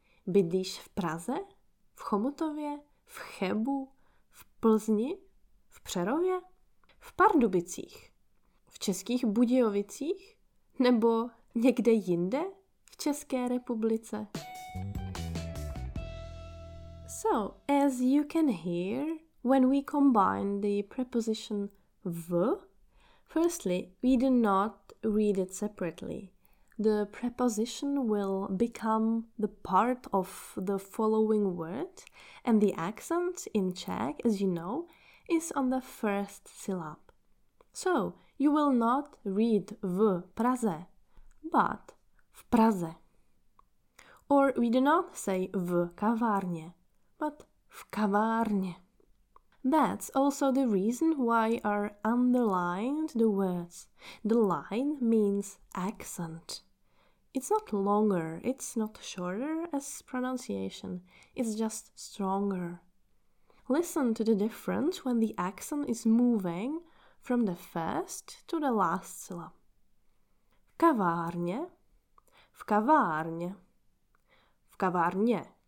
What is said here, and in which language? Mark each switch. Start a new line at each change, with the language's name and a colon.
Czech: Bydlíš v Praze? V Chomutově? V Chebu? V Plzni? V Přerově? V Pardubicích? V Českých Budějovicích? Nebo někde jinde v České republice?
English: So, as you can hear, when we combine the preposition v, firstly, we do not read it separately. The preposition will become the part of the following word, and the accent in Czech, as you know, is on the first syllab. So, you will not read
Czech: v Praze,
English: but v Praze. Or we do not say
Czech: v kavárně,
English: but v kavárně. That's also the reason why are underlined the words. The line means accent. It's not longer, it's not shorter as pronunciation, it's just stronger. Listen to the difference when the accent is moving from the first to the last syllab.
Czech: V kavárně, v kavárně, v kavárně.